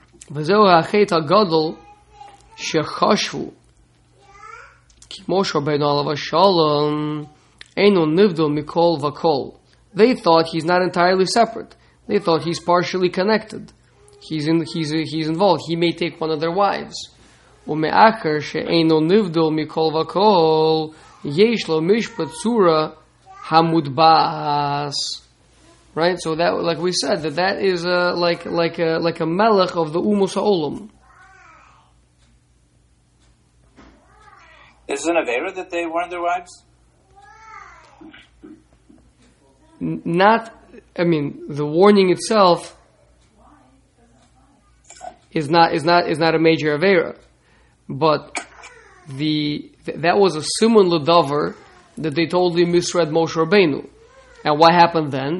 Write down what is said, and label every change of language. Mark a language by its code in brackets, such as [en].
[he] וזהו החטא הגדול שחשבו כי משה רבנו עליו השלום אינו נבדל מכל וכל. [en] They thought he's not entirely separate. They thought he's partially connected. He's involved. He may take one of their wives. [he] ומאחר שאינו נבדל מכל וכל יש לו משפט צורה המודבס. [en] Right, so that, like we said, that is like a melech of the Umos Olam. Is it an avera that they weren't their wives? Not, I mean, the warning itself is not a major avera, but that was a simon ledover that they totally misread Moshe Rabbeinu. And what happened then?